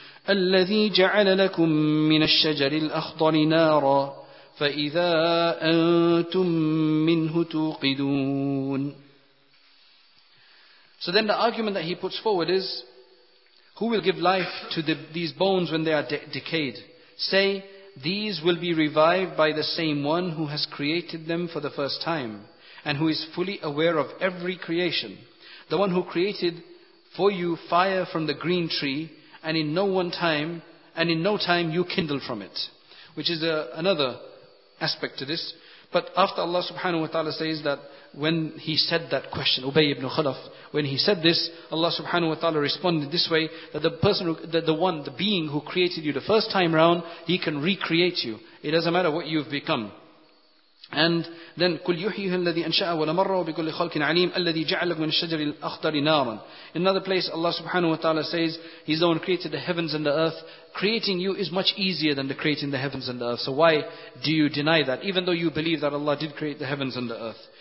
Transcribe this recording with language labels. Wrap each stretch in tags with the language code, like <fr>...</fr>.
<ar>الذي جعل لكم من الشجر الأخضر نارا فإذا أنتم منه توقدون.</ar> <en>So then the argument that he puts forward is, who will give life to these bones when they are decayed? Say, these will be revived by the same one who has created them for the first time, and who is fully aware of every creation. The one who created for you fire from the green tree, and in no time you kindle from it. Which is another aspect to this. But after Allah subhanahu wa ta'ala says that, when he said that question, Ubay ibn Khalaf, when he said this, Allah subhanahu wa ta'ala responded this way, that the being who created you the first time round, he can recreate you. It doesn't matter what you've become.</en> <ar>And then, قُلْ يُحْيِهُ الَّذِي أَنْشَأَ وَلَمَرَّهُ بِكُلِّ خَلْقٍ عَلِيمٍ الَّذِي جَعَلَكُ مِنْ الشَّجَرِ الْأَخْضَرِ نَارًا.</ar> <en>In another place, Allah subhanahu wa ta'ala says, he's the one who created the heavens and the earth. Creating you is much easier than the creating the heavens and the earth. So why do you deny that? Even though you believe that Allah did create the heavens and the earth.</en>